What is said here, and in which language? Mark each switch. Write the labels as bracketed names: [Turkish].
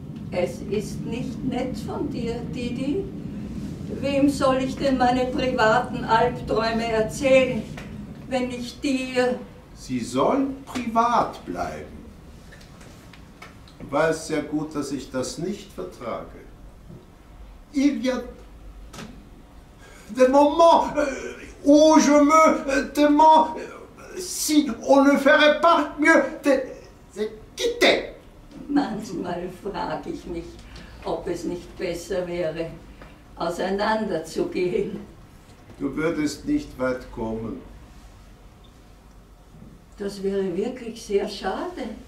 [German] Es ist nicht nett von dir, Didi. Wem soll ich denn meine privaten Albträume erzählen, wenn ich dir... Sie soll privat bleiben. Du weißt sehr gut, dass ich das nicht vertrage. [French] Il y a... des moments où je me demande si on ne ferait pas mieux de quitter. [German] Manchmal frage ich mich, ob es nicht besser wäre, auseinanderzugehen. Du würdest nicht weit kommen. Das wäre wirklich sehr schade.